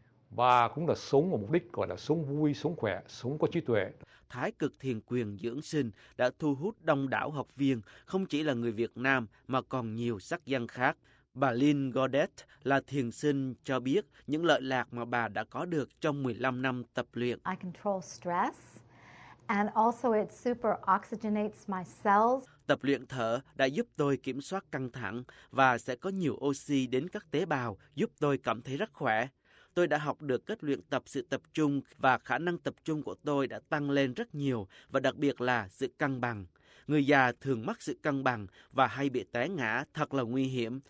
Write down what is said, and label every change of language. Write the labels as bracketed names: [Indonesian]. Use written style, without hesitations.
[Vietnamese] Và cũng là sống một mục đích gọi là sống vui, sống khỏe, sống có trí tuệ. Thái Cực Thiền Quyền Dưỡng Sinh đã thu hút đông đảo học viên, không chỉ là người Việt Nam mà còn nhiều sắc dân khác. Bà Lynn Godet là thiền sinh cho biết những lợi lạc mà bà đã có được trong 15 năm tập luyện. [English] I control stress and also it super oxygenates my cells. [Vietnamese] Tập luyện thở đã giúp tôi kiểm soát căng thẳng và sẽ có nhiều oxy đến các tế bào giúp tôi cảm thấy rất khỏe. Tôi đã học được cách luyện tập sự tập trung và khả năng tập trung của tôi đã tăng lên rất nhiều và đặc biệt là sự cân bằng. Người già thường mắc sự cân bằng và hay bị té ngã, thật là nguy hiểm.